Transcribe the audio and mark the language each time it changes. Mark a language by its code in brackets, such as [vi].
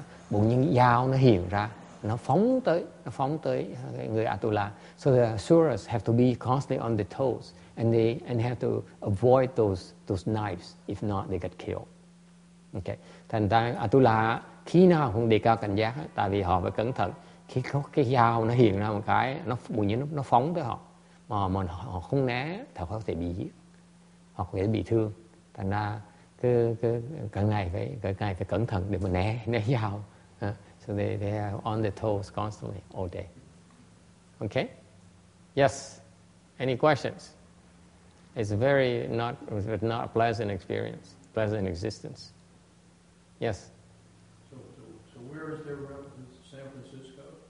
[vi] Bỗng nhiên dao nó hiện ra, nó phóng tới người Atula. [en] So the Asuras have to be constantly on their toes and have to avoid those knives. If not, they get killed. Okay. [vi] Thành ra Atula khi nào cũng đề cao cảnh giác, tại vì họ phải cẩn thận. Khi có cái dao nó hiện ra một cái, nó bỗng nhiên nó phóng tới họ, mà họ không né thì họ có thể bị giết, họ có thể bị thương. Thành ra cứ cả ngày phải cẩn thận để mà né dao. [en] So they are on their toes constantly all day. Okay. Yes. Any questions? It's not a pleasant experience, pleasant existence. Yes. So where is their reference? San Francisco?